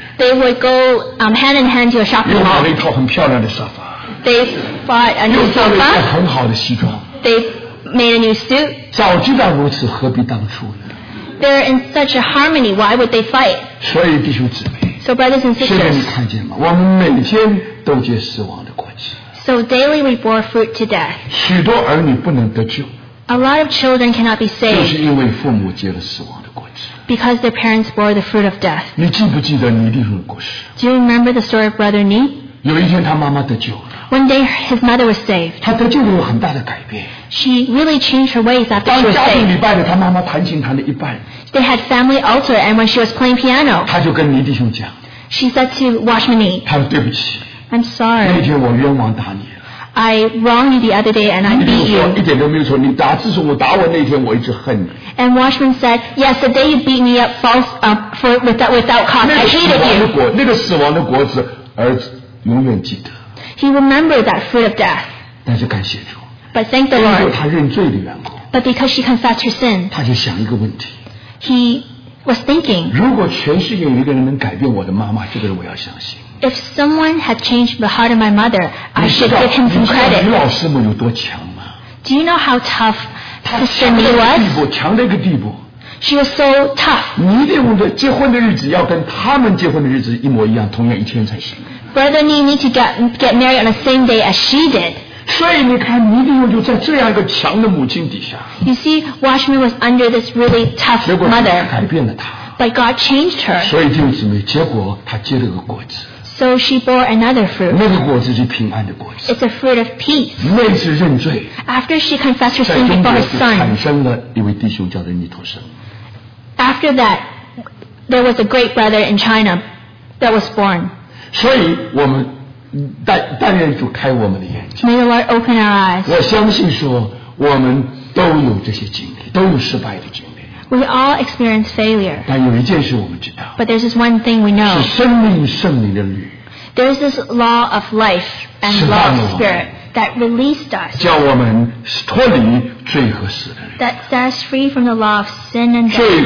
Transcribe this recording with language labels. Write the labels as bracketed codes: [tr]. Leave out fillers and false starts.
[en] They would go hand in hand to a shopping mall. [zh] 又买了一套很漂亮的沙发。 [en] They bought a new sofa. [zh] 又做了一套很好的西装。 [en] They made a new suit. [zh] 早知道如此，何必当初呢？ [en] They're in such a harmony. Why would they fight? [zh] 所以弟兄姊妹， [en] so brothers and sisters, [zh] 现在你看见吗？我们每天都结死亡的果子。 [en] So daily we bore fruit to death. [zh] 许多儿女不能得救。 [en] A lot of children cannot be saved. [zh] 就是因为父母结了死亡的果子。 [en] Because their parents bore the fruit of death. [zh] 你记不记得尼弟兄的故事？ [en] Do you remember the story of Brother Ni? [zh] 有一天他妈妈得救了。 [en] One day his mother was saved. [zh] 他得救了有很大的改变。 [en] She really changed her ways after she was saved. [zh] 当家庭礼拜的他妈妈弹琴弹了一半。 [en] They had family altar and when she was playing piano. [zh] 他就跟尼弟兄讲。 [en] She said to Washmini. [zh] 他说对不起。 [en] I'm sorry. [zh] 那天我冤枉打你了。 [en] I wronged you the other day and I beat you. [zh] 一点都没有错，你打，自从我打我那天我一直恨你。 [en] And Washman said, yes, the day you beat me up false, without cause, I hated you. [zh] 那个死亡的果，那个死亡的果子，儿子永远记得。 [en] He remembered that fruit of death. [zh] 但是感谢主。 [en] But thank the Lord. [zh] 因为他认罪的缘故。 [en] But because she confessed her sin. [zh] 他就想一个问题。 [en] He was thinking. [zh] 如果全世界有一个人能改变我的妈妈，这个人我要相信。 [en] If someone had changed the heart of my mother, I should give him some credit. [zh] 你老师们有多强吗？ [en] Do you know how tough Sister Mi was? [zh] 强到一个地步，强到一个地步。 [en] She was so tough. [zh] 你一定的结婚的日子要跟他们结婚的日子一模一样，同样一天才行。 [en] Brother Ni need to get married on the same day as she did. [zh] 所以你看，尼弟兄就在这样一个强的母亲底下。 [en] You see, Washmi was under this really tough mother. [zh] 结果改变了她。 [en] But God changed her. [zh] 所以弟兄姊妹，结果她结了个果子。 [en] So she bore another fruit. [zh] 那个果子是平安的果子。 [en] It's a fruit of peace. [zh] 那次认罪。 [en] After she confessed her sin before her son. [zh] 在中间产生了一位弟兄叫做尼陀生。 [en] After that, there was a great brother in China that was born. [zh] 所以我们但愿主开我们的眼睛。 [en] May the Lord open our eyes. [zh] 我相信说我们都有这些经历，都有失败的经历。 [en] We all experience failure. [zh] 但有一件事我们知道。 [en] But there's this one thing we know. [zh] 是生命圣灵的律。 [en] There's this law of life and law of spirit that released us. [zh] 叫我们脱离罪和死的律。 [en] That set us free from the law of sin and death.